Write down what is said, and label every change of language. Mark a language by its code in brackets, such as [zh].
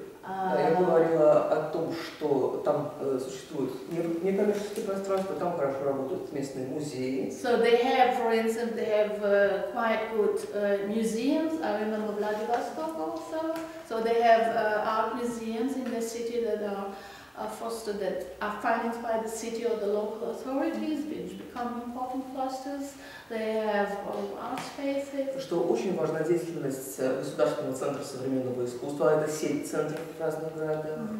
[ru] Я говорила о том, что там существует некоммерческое пространство, там хорошо работают местные музеи. [en] So they have, for instance, they have quite good museums. I remember Vladivostok also. So they have art museums in the city that are fostered, that are financed by the city or the local authorities, which become important clusters. They have art spaces. [ru] Что очень важна деятельность государственного центра современного искусства, это сеть центров в разных городах.